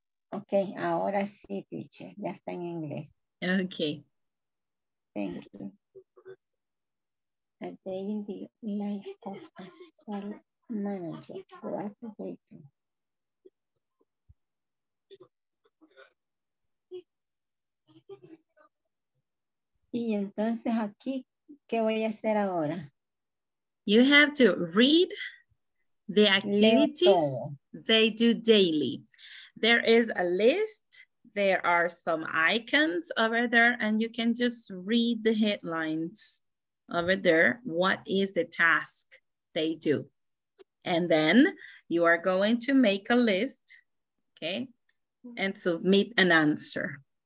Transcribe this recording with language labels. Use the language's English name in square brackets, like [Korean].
[Spanish] Ok, ahora sí, teacher, ya está en inglés. Ok. [English] Thank you. A day in the life of a cell manager. What do they do? [Spanish] Y entonces aquí, ¿qué voy a hacer ahora? [English] You have to read the activities they do daily. There is a list. There are some icons over there, and you can just read the headlines over there. What is the task they do? And then you are going to make a list, okay, and submit an answer.